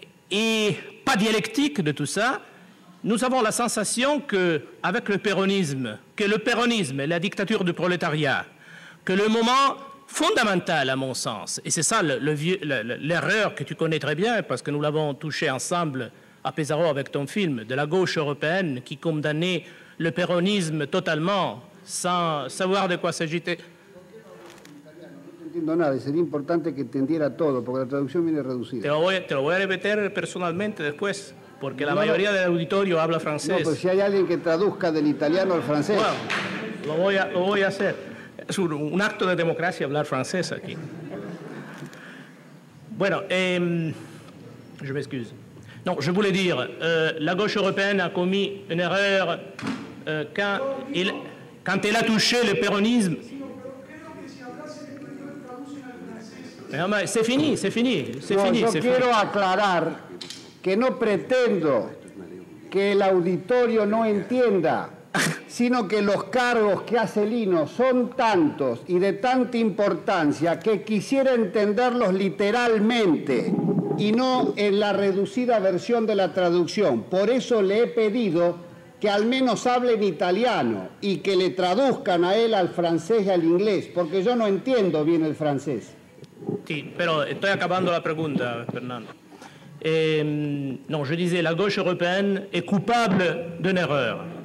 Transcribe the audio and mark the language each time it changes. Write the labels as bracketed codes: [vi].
[fr] et pas dialectique de tout ça, nous avons la sensation qu'avec le péronisme, que le péronisme est la dictature du prolétariat, que le moment fondamental, à mon sens, et c'est ça l'erreur que tu connais très bien, parce que nous l'avons touché ensemble à Pesaro avec ton film, de la gauche européenne qui condamnait le péronisme totalement, sans savoir de quoi s'agitait. Je ne comprends rien, c'est important que tu entendieras tout, parce que la traduction vient réduite. [es] Te lo voy a [fr] répéter personnellement [es] después. Porque la mayoría del auditorio habla francés. No, pero si hay alguien que traduzca del italiano al francés. Bueno, lo voy a hacer. Es un acto de democracia hablar francés aquí. [fr] Bueno, je m'excuse. Non, je voulais dire, la gauche européenne a commis une erreur quand elle a touché le péronisme. C'est fini. Je veux [es] aclarar que no pretendo que el auditorio no entienda, sino que los cargos que hace Lino son tantos y de tanta importancia que quisiera entenderlos literalmente y no en la reducida versión de la traducción. Por eso le he pedido que al menos hable en italiano y que le traduzcan a él al francés y al inglés, porque yo no entiendo bien el francés. Sí, pero estoy acabando la pregunta, Fernando. [fr] Non, je disais, la gauche européenne est coupable d'une erreur.